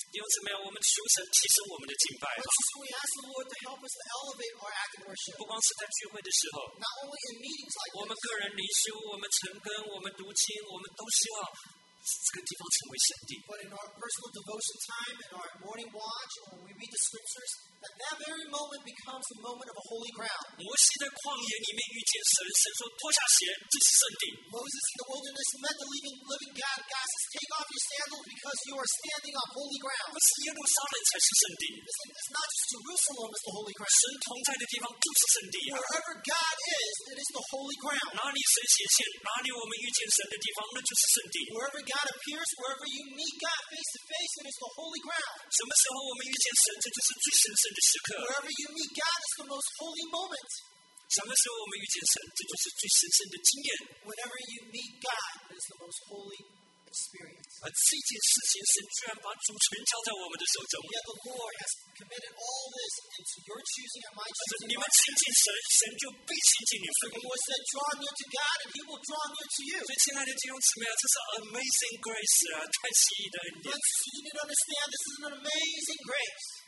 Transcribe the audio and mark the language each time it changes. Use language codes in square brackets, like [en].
[zh] 弟兄姊妹，我们求神提升我们的敬拜。 [en] But we ask the Lord to help us to elevate our act of worship. [zh] 不光是在聚会的时候。 [en] Not only in meetings like this. [zh] 我们个人灵修，我们晨更，我们读经，我们都希望。这个地方成为圣地。 [en] But in our personal devotion time, in our morning watch, when we read the scriptures, that that very moment becomes a moment of a holy ground. [zh] 摩西在旷野里面遇见神，神说脱下鞋，这是圣地。 [en] Moses in the wilderness met the living God. God says, "Take off your sandals because you are standing on holy ground." [zh] 不是耶路撒冷才是圣地。 [en] It's not just Jerusalem is the holy ground. [zh] 神同在的地方就是圣地。 [en] Wherever God is, it is the holy ground. [zh] 哪里神显现，哪里我们遇见神的地方，那就是圣地。 [en] Wherever God appears wherever you meet God face to face, it is the holy ground. [zh] 什么时候我们遇见神，这就是最神圣的时刻。 [en] Wherever you meet God, it's the most holy moment. [zh] 什么时候我们遇见神，这就是最神圣的经验。 [en] Whenever you meet God, it is the most holy experience. [zh] 而这件事情，神居然把主权交在我们的手中。 [en] Yet the Lord has committed all this into your choosing and my choosing. [zh] 你们亲近神，神就必亲近你们。 [en] The Lord said, "Draw near to God, and He will draw near to you." [zh] 所以，亲爱的弟兄姊妹啊，这是 [en] amazing grace [zh] 啊，太奇异的恩典。 [en] But you need to understand, this is an amazing grace.